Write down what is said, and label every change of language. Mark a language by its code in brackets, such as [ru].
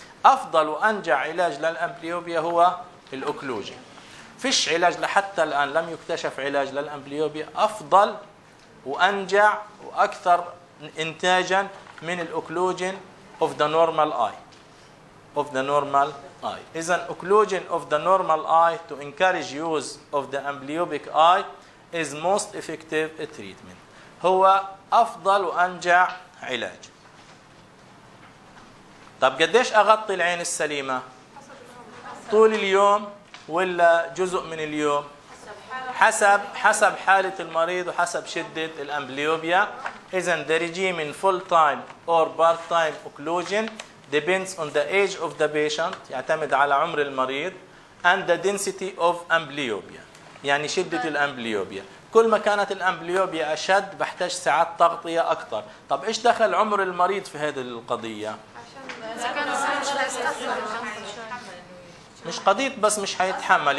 [ar] أفضل وأنجع علاج للأمبليوبيا هو الأوكلوجين. فيش علاج لحتى الآن، لم يكتشف علاج للأمبليوبيا أفضل وأنجع وأكثر إنتاجا من الأوكلوجين [en] of the normal eye [ar] of the normal eye. إذن أوكلوجين [en] of the normal eye to encourage use of the amblyopic eye is most effective treatment. [ar] هو أفضل وأنجع علاج. طب قديش أغطي العين السليمة؟ طول اليوم ولا جزء من اليوم؟ حسب حالة المريض وحسب شدة الأمبليوبيا. [en] إذن the regime in full time or part time occlusion depends on the age of the patient، [ar] يعتمد على عمر المريض، [en] and the density of amblyopia, [ar] يعني شدة الأمبليوبيا. كل ما كانت الأمبليوبيا أشد بحتاج ساعات تغطية أكثر. طب إيش دخل عمر المريض في هذه القضية؟ مش قضية بس مش هيتحمل.